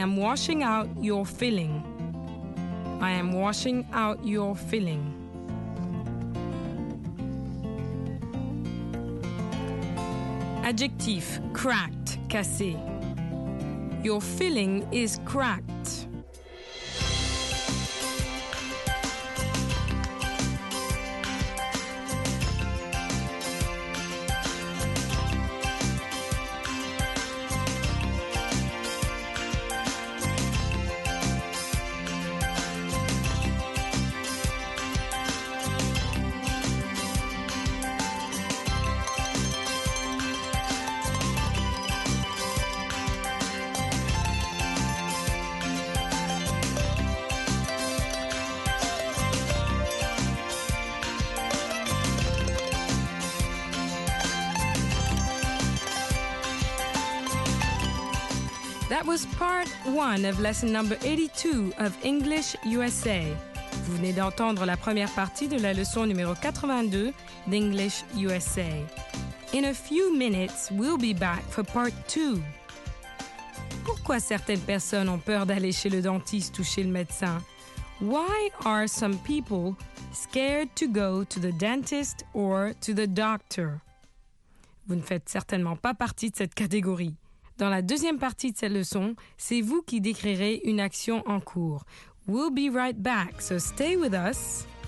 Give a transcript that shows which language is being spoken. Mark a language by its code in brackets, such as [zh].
[en] I am washing out your filling. I am washing out your filling. [fr] Adjectif, cracked, cassé. [en] Your filling is cracked. That was part one of lesson number 82 of English USA. [fr] Vous venez d'entendre la première partie de la leçon numéro 82 d'English USA. [en] In a few minutes, we'll be back for part two. [fr] Pourquoi certaines personnes ont peur d'aller chez le dentiste ou chez le médecin? [en] Why are some people scared to go to the dentist or to the doctor? [fr] Vous ne faites certainement pas partie de cette catégorie. Dans la deuxième partie de cette leçon, c'est vous qui décrirez une action en cours. [en] We'll be right back, so stay with us.